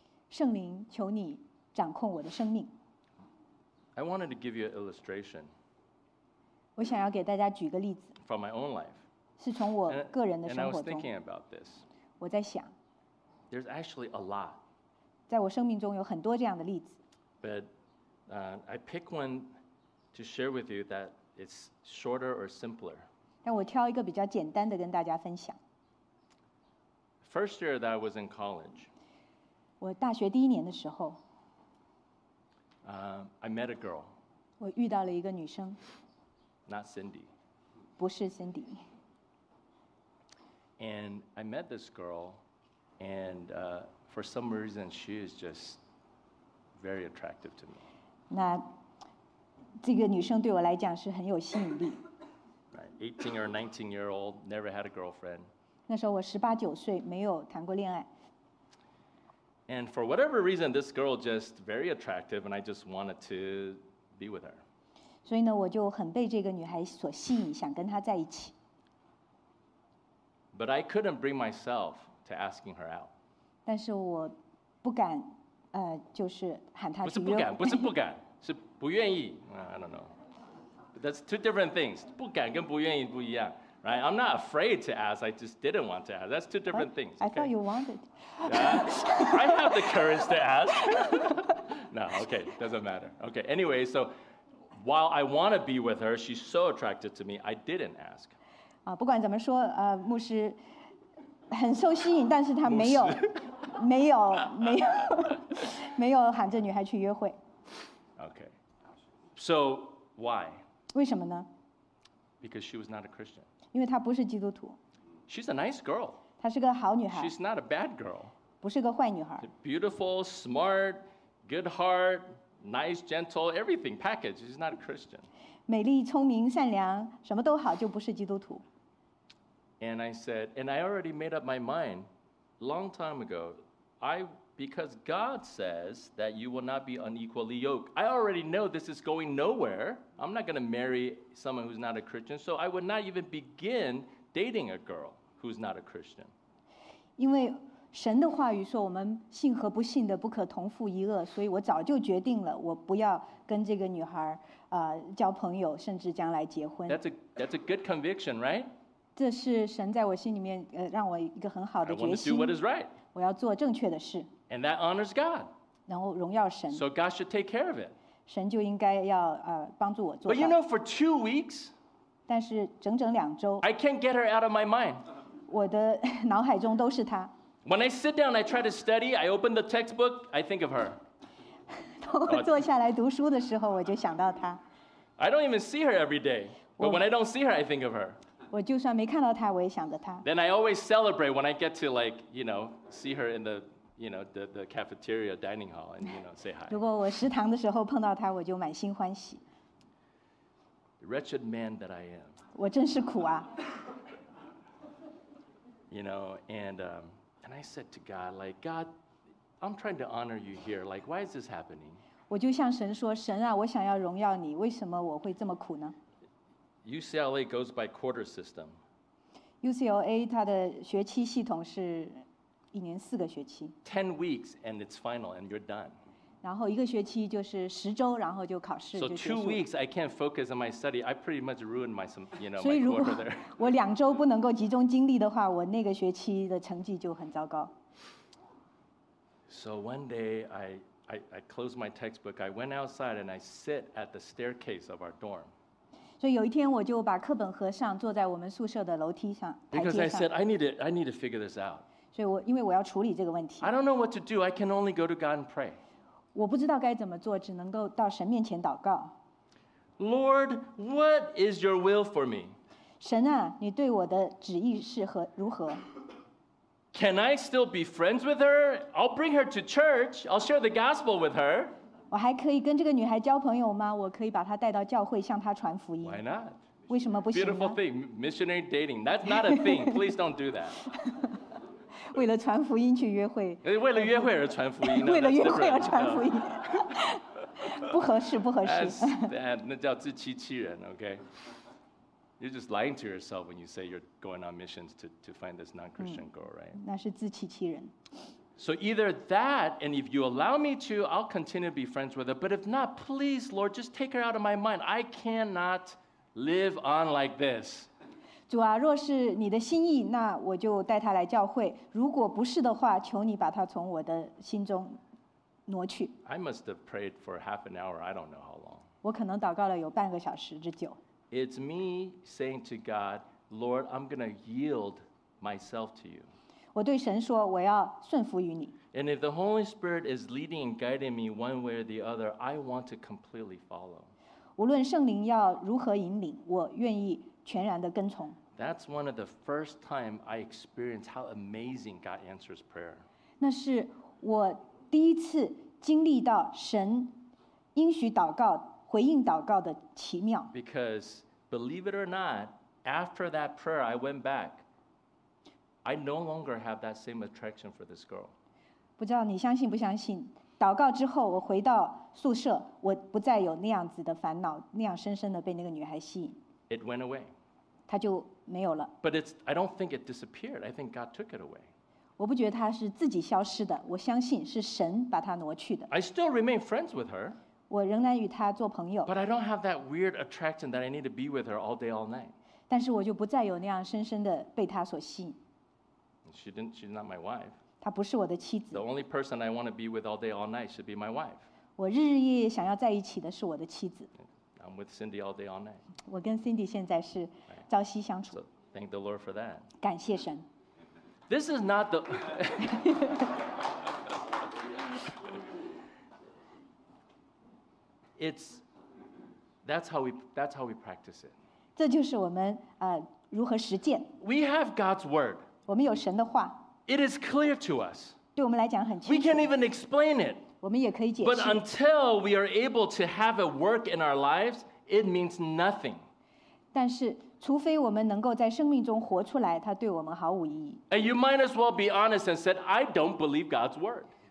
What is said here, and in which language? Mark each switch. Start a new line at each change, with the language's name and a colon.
Chinese: 圣灵，求你掌控我的生命。
English: I wanted to give you an illustration.
Chinese: 我想要给大家举个例子。
English: From my own life.
Chinese: 是从我个人的生活中。
English: And I was thinking about this.
Chinese: 我在想。
English: There's actually a lot.
Chinese: 在我生命中有很多这样的例子。
English: But I pick one to share with you that it's shorter or simpler.
Chinese: 但我挑一个比较简单的跟大家分享。
English: First year that I was in college.
Chinese: 我大学第一年的时候。
English: I met a girl.
Chinese: 我遇到了一个女生。
English: Not Cindy.
Chinese: 不是 Cindy.
English: And I met this girl, and for some reason, she is just very attractive to me.
Chinese: 那这个女生对我来讲是很有吸引力。
English: 18 or 19 year old, never had a girlfriend.
Chinese: 那时候我十八九岁，没有谈过恋爱。
English: And for whatever reason, this girl just very attractive, and I just wanted to be with her.
Chinese: 所以呢，我就很被这个女孩所吸引，想跟她在一起。
English: But I couldn't bring myself to asking her out.
Chinese: 但是我不敢，就是喊她。不是不敢，不是不敢，是不愿意。
English: I don't know.、But、that's two different things.
Chinese: 不敢跟不愿意不一样 ，
English: right? I'm not afraid to ask. I just didn't want to ask. That's two different things.、Okay? I thought you wanted. 、I have the courage to ask. No, okay, doesn't matter. Okay, anyway, so. While I want to be with her, she's so attracted to me, I didn't ask.
Chinese: 不管怎么说，牧师很受吸引，但是他没有，没有，没有，没有喊这女孩去约会。
English: Okay. So, why?
Chinese: 为什么呢？
English: Because she was not a Christian.
Chinese: 因为她不是基督徒。
English: She's a nice girl.
Chinese: 她是个好女孩。
English: She's not a bad girl.
Chinese: 不是个坏女孩。
English: Beautiful, smart, good heart. Nice, gentle, everything package. She's not a Christian.
Chinese: 美丽、聪明、善良，什么都好，就不是基督徒。
English: And I said, and I already made up my mind long time ago. Because God says that you will not be unequally yoked. I already know this is going nowhere. I'm not going to marry someone who's not a Christian. So I would not even begin dating a girl who's not a Christian.
Chinese: 因为神的话语说我们信和不信的不可同父一轭所以我早就决定了我不要跟这个女孩交朋友甚至将来结婚
English: That's a good conviction, right?
Chinese: 这是神在我心里面让我一个很好的决心
English: I want to do what is right
Chinese: 我要做正确的事
English: And that honors God
Chinese: 然后荣耀神
English: So God should take care of it
Chinese: 神就应该要帮助我做到
English: But you know, for 2 weeks
Chinese: 但是整整两周
English: I can't get her out of my mind
Chinese: 我的脑海中都是她
English: When I sit down, I try to study. I open the textbook. I think of her.
Chinese: 当我坐下来读书的时候，我就想到她。
English: I don't even see her every day. But when I don't see her, I think of her.
Chinese: 我就算没看到她，我也想着她。
English: Then I always celebrate when I get to like you know see her in the you know the cafeteria dining hall and you know say hi.
Chinese: 如果我食堂的时候碰到她，我就满心欢喜。
English: the wretched man that I am.
Chinese: 我真是苦啊。
English: You know, and I said to God, like, God, I'm trying to honor you here. Like, why is this happening?
Chinese: 我就向神说，神啊，我想要荣耀你，为什么我会这么苦呢？
English: UCLA goes by quarter system.
Chinese: UCLA 它的学期系统是一年四个学期。
English: 10 weeks and it's final and you're done.
Chinese: 然后一个学期就是十周，然后就考试就结束。
English: So 2 weeks I can't focus on my study. I pretty much ruined my, you know, my quarter there.
Chinese: 所以如果我两周不能够集中精力的话，我那个学期的成绩就很糟糕。
English: So one day I closed my textbook. I went outside and I sit at the staircase of our dorm.
Chinese: 所以有一天我就把课本合上，坐在我们宿舍的楼梯上。
English: Because I said I need to figure this out.
Chinese: 所以我因为我要处理这个问题。
English: I don't know what to do. I can only go to God and pray.
Chinese: 我不知道该怎么做，只能够到神面前祷告。
English: Lord, what is your will for me?
Chinese: 神啊，你对我的旨意是何如何？
English: Can I still be friends with her? I'll bring her to church. I'll share the gospel with her.
Chinese: 我还可以跟这个女孩交朋友吗？我可以把她带到教会，向她传福音。
English: Why not?
Chinese: 为什么不行呢？
English: Beautiful thing, missionary dating. That's not a thing. Please don't do that.
Chinese: 为了传福音去约会。为了约会而传福音。为了约会而传福音。不合适，不合适。那叫自欺欺人 ，OK?
English: You're just lying to yourself when you say you're going on missions to find this non-Christian girl, right?
Chinese: 那是自欺欺人。
English: So either that, and if you allow me to, I'll continue to be friends with her. But if not, please, Lord, just take her out of my mind. I cannot live on like this.
Chinese: 主啊，若是你的心意，那我就带她来教会。如果不是的话，求你把她从我的心中挪去。
English: I must have prayed for half an hour. I don't know how long.
Chinese: 我可能祷告了有半个小时之久。
English: It's me saying to God, Lord, I'm going to yield myself to you.
Chinese: 我对神说，我要顺服于你。
English: And if the Holy Spirit is leading and guiding me one way or the other, I want to completely follow.
Chinese: 无论圣灵要如何引领，我愿意全然的跟从。
English: That's one of the first time I experienced how amazing God answers prayer.
Chinese: 那是我第一次经历到神应许祷告回应祷告的奇妙。
English: Because believe it or not, after that prayer, I went back. I no longer have that same attraction for this girl.
Chinese: 不知道你相信不相信？祷告之后，我回到宿舍，我不再有那样子的烦恼，那样深深的被那个女孩吸引。
English: It went away.
Chinese: 她就没有了。
English: But it's. I don't think it disappeared. I think God took it away.
Chinese: 我不觉得她是自己消失的，我相信是神把她挪去的。
English: I still remain friends with her.
Chinese: 我仍然与她做朋友。
English: But I don't have that weird attraction that I need to be with her all day, all night.
Chinese: 但是我就不再有那样深深的被她所吸引。
English: She's not my wife.
Chinese: 她不是我的妻子。
English: The only person I want to be with all day, all night should be my wife.
Chinese: 我日日夜夜想要在一起的是我的妻子。
English: I'm with Cindy all day, all night.
Chinese: 我跟 Cindy 现在是朝夕相处。
English: So thank the Lord for that.
Chinese: 感谢神。
English: This is not the... It's that's how we practice it.
Chinese: 这就是我们如何实践。
English: We have God's word.
Chinese: 我们有神的话。
English: It is clear to us.
Chinese: 对我们来讲很清楚。
English: We can even explain it.
Chinese: 我们也可以解释。
English: But until we are able to have it work in our lives, it means nothing.
Chinese: 但是除非我们能够在生命中活出来，它对我们毫无意义。
English: And you might as well be honest and said, I don't believe God's word.